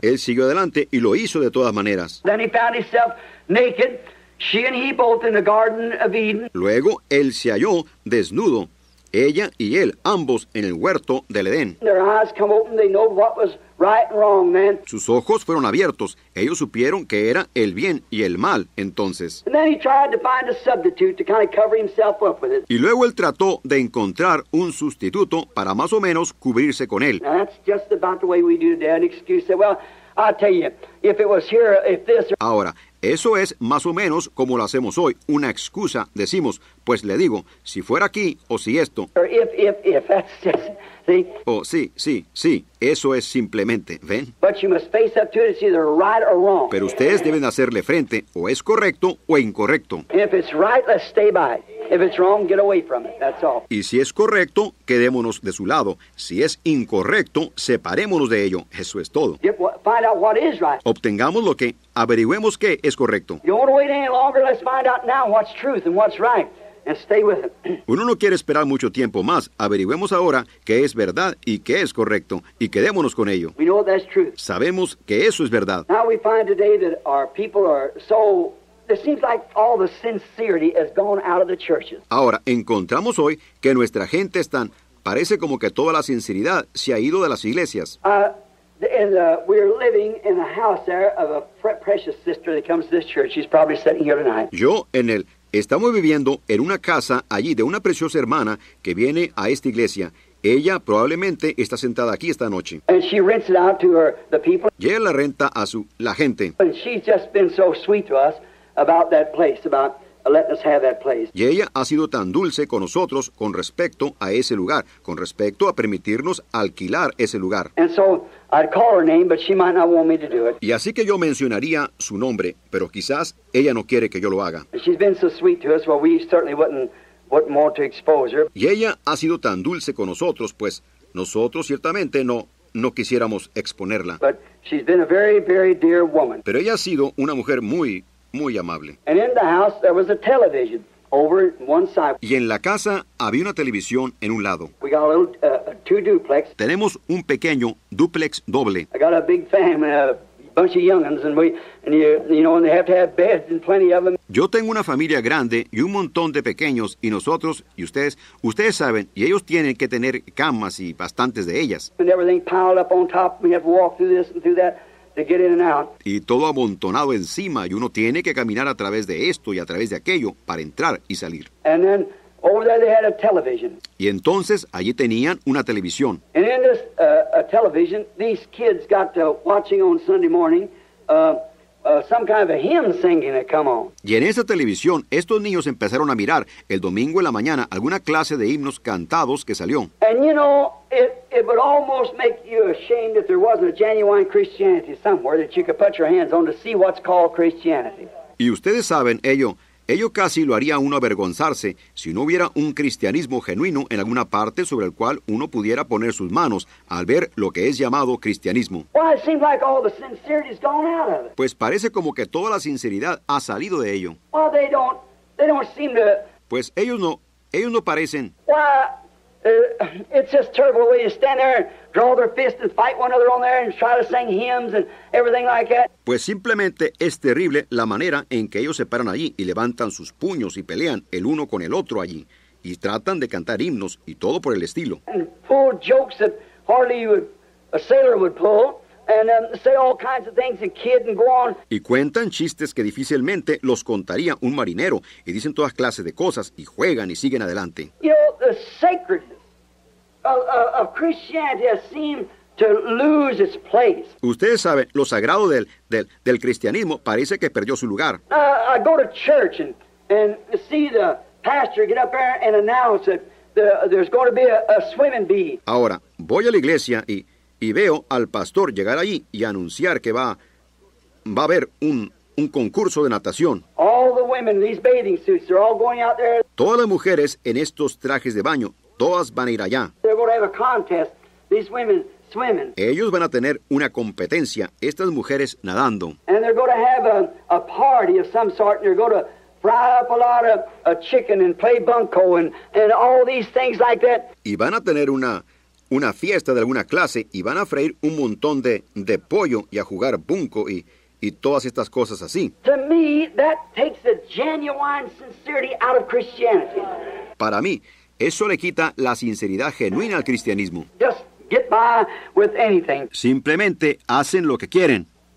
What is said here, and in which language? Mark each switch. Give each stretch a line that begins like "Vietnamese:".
Spanish: Él siguió adelante y lo hizo de todas maneras.
English: Then he found himself naked, she and he both in the Garden of Eden.
Spanish: Luego él se halló desnudo. Ella y él, ambos en el huerto del Edén.
English: Their eyes come open, they know what was right and wrong, man.
Spanish: Sus ojos fueron abiertos. Ellos supieron que era el bien y el mal, entonces.
English: And then he tried to find a substitute to kind of cover himself up with it.
Spanish: Y luego él trató de encontrar un sustituto para más o menos cubrirse con él.
English: Now that's just about the way we do today. An excuse that, well, I'll tell you, if it was here, if this...
Spanish: Ahora, Eso es más o menos como lo hacemos hoy, una excusa. Decimos, pues le digo, si fuera aquí o si esto.
English: If, that's just, see?
Spanish: Oh, sí, eso es simplemente, ¿ven?
English: But you must face up to it, it's either right or wrong.
Spanish: Pero ustedes deben hacerle frente, o es correcto o incorrecto.
English: If it's right, let's stay by it. If it's wrong, get away from it, that's all.
Spanish: Y si es correcto, quedémonos de su lado. Si es incorrecto, separémonos de ello. Eso es todo.
English: Find out what is right.
Spanish: Obtengamos lo que, averigüemos qué es correcto.
English: You don't want to wait any longer, let's find out now what's truth and what's right. And stay with it.
Spanish: Uno no quiere esperar mucho tiempo más. Averigüemos ahora qué es verdad y qué es correcto. Y quedémonos con ello.
English: We know that's truth.
Spanish: Sabemos que eso es verdad.
English: Now we find today that our people are so... It seems like all the sincerity has gone out of the churches.
Spanish: Ahora, encontramos hoy que nuestra gente está... Parece como que toda la sinceridad se ha ido de las iglesias.
English: We're living in the house there of a precious sister that comes to this church. She's probably sitting here tonight.
Spanish: Yo en el... Estamos viviendo en una casa allí de una preciosa hermana que viene a esta iglesia. Ella probablemente está sentada aquí esta noche.
English: And she rents it out to her, the people.
Spanish: Y ella la renta a su... la gente.
English: And she's just been so sweet to us. About that place, about letting us have that place.
Spanish: Y ella ha sido tan dulce con nosotros con respecto a ese lugar, con respecto a permitirnos alquilar ese lugar.
English: And so I'd call her name, but she might not want me to do it.
Spanish: Y así que yo mencionaría su nombre, pero quizás ella no quiere que yo lo haga.
English: She's been so sweet to us, well, we certainly wouldn't want to expose her.
Spanish: Y ella ha sido tan dulce con nosotros, pues nosotros ciertamente no quisiéramos exponerla.
English: But she's been a very, very dear woman.
Spanish: Pero ella ha sido una mujer muy... muy amable.
English: And in the house there was a television over one side.
Spanish: Y en la casa había una televisión en un lado.
English: We got a little two duplex.
Spanish: Tenemos un pequeño duplex doble.
English: I got a big family, a bunch of young'uns, and you know, and they have to have beds and plenty of them.
Spanish: Yo tengo una familia grande y un montón de pequeños y nosotros y ustedes saben y ellos tienen que tener camas y bastantes de ellas.
English: And everything piled up on top. We have to walk through this and through that. To get in and out.
Spanish: Y todo amontonado encima, y uno tiene que caminar a través de esto y a través de aquello para entrar y salir.
English: And then, over there they had a television.
Spanish: Y entonces allí tenían una televisión.
English: And in this television, these kids got to watching on Sunday morning some kind of a hymn singing that come on.
Spanish: Y en esa televisión, estos niños empezaron a mirar el domingo en la mañana alguna clase de himnos cantados que salió.
English: And you know, it would almost make you ashamed if there wasn't a genuine Christianity somewhere that you could put your hands on to see what's called Christianity.
Spanish: Y ustedes saben ello. Ello casi lo haría uno avergonzarse si no hubiera un cristianismo genuino en alguna parte sobre el cual uno pudiera poner sus manos al ver lo que es llamado cristianismo.
English: Well, it seems like all the sincerity's gone out of it.
Spanish: Pues parece como que toda la sinceridad ha salido de ello.
English: Well, they don't seem to...
Spanish: Pues ellos no parecen...
English: Well, it's just terrible the way you stand there and draw their fists and fight one another on there and try to sing hymns and everything like that.
Spanish: Pues simplemente es terrible la manera en que ellos se paran allí y levantan sus puños y pelean el uno con el otro allí y tratan de cantar himnos y todo por el estilo.
English: And pull jokes that hardly a sailor would pull. And say all kinds of things and kid and go on.
Spanish: Y cuentan chistes que difícilmente los contaría un marinero. Y dicen todas clases de cosas y juegan y siguen adelante.
English: You know, the sacredness of Christianity has seemed to lose its place.
Spanish: Ustedes saben, lo sagrado del cristianismo parece que perdió su lugar.
English: I go to church and see the pastor get up there and announce that there's going to be a swimming bee.
Spanish: Ahora, voy a la iglesia y veo al pastor llegar allí y anunciar que va a haber un concurso de natación.
English: All the women in these bathing suits, they're all going out there.
Spanish: Todas las mujeres en estos trajes de baño, todas van a ir allá.
English: They're going to have a contest, these women swimming.
Spanish: Ellos van a tener una competencia, estas mujeres nadando.
English: And they're going to have a party of some sort, and they're going to fry up a lot of a chicken and play bunco and all these things like that.
Spanish: Y van a tener una fiesta de alguna clase y van a freír un montón de pollo y a jugar bunco y todas estas cosas así.
English: To me, that takes the genuine sincerity out of Christianity.
Spanish: Para mí, eso le quita la sinceridad genuina al cristianismo.
English: Just get by with anything.
Spanish: Simplemente hacen lo que quieren.